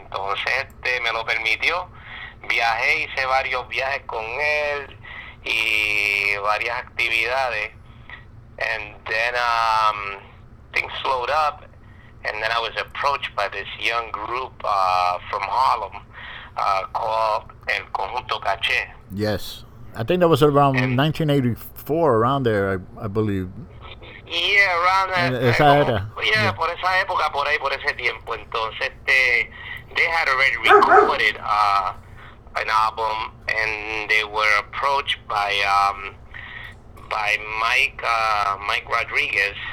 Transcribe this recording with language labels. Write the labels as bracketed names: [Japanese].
[Spanish] Entonces este me lo permitió, viajé, hice varios viajes con él y varias actividades, [English] and then things slowed up, and then I was approached by this young group from Harlem called El Conjunto Caché. Yes. I think that was around 1984, around there, I believe. Yeah, around that. [Spanish] Esa era. Yeah, por esa época, por ahí, por ese tiempo. [English] Entonces, they had already recorded an album, and they were approached by Mike Rodriguez.